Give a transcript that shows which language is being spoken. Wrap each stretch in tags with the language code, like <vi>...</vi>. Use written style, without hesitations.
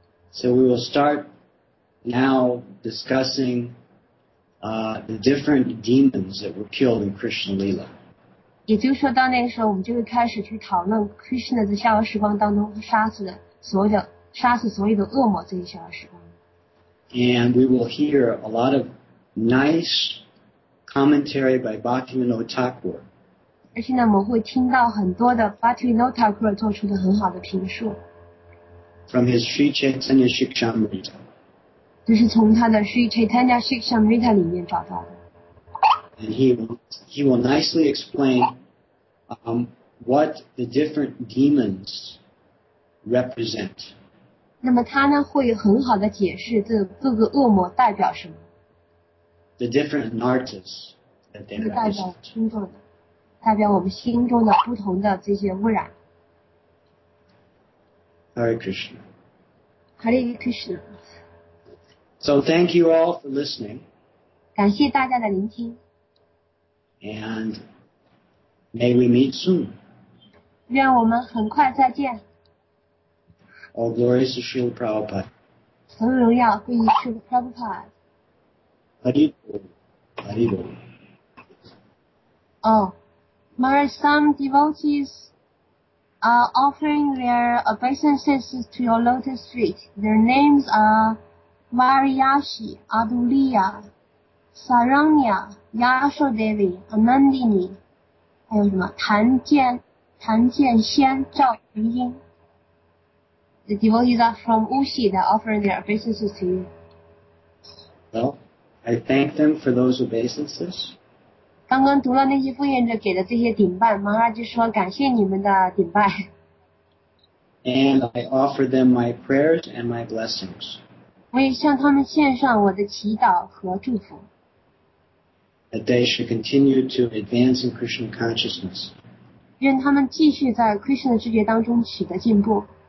<en>So we will start now discussing the different demons that were killed in Krishna Leela.</en> <zh>也就是说到那个时候我们就会开始去讨论 Krishna 在逍遥时光当中杀死所有的恶魔这些逍遥时光。</zh> <en>And we will hear a lot of nice commentary by Bhaktivinoda Thakur.</en> <zh>而且呢，我们会听到很多的 Bhaktivinoda Thakur 做出的很好的评述。</zh> <en>From his Sri Chaitanya Shikshamrita.</en> <zh>这是从他的 Sri Chaitanya Shikshamrita 里面找到的。</zh> <en>And he will nicely explain what the different demons represent.</en> <zh>那么他呢会很好的解释这各个恶魔代表什么。</zh> <en>The different nartas that they represent.</en> <zh>代表心中的，代表我们心中的不同的这些污染。</zh> <en>Hare Krishna. Hare Krishna. So thank you all for listening.</en> <zh>感谢大家的聆听。</zh> <en>And may we meet soon.</en> <zh>愿我们很快再见。</zh> <en>All glories to Srila Prabhupada.</en> <zh>所有荣耀归于 Srila Prabhupada.</zh> <en>Hari Bol. Hari Bol. Oh, Maharaj, some devotees are offering their obeisances to your lotus feet. Their names are Variyashi, Aduliya, Saranya, Yashodevi, Anandini,</en> <zh>还有什么谭建仙赵云英。</zh> <en>The devotees are from Wuxi that offer their obeisances to you. Well, I thank them for those obeisances.</en> <zh>刚刚读了那些复印者给的这些顶拜，马拉就说感谢你们的顶拜。</zh> <en>And I offer them my prayers and my blessings.</en> <zh>我也向他们献上我的祈祷和祝福。</zh> <en>That they should continue to advance in Krishna consciousness.</en> <zh>愿他们继续在 Krishna 知觉当中取得进步。</zh>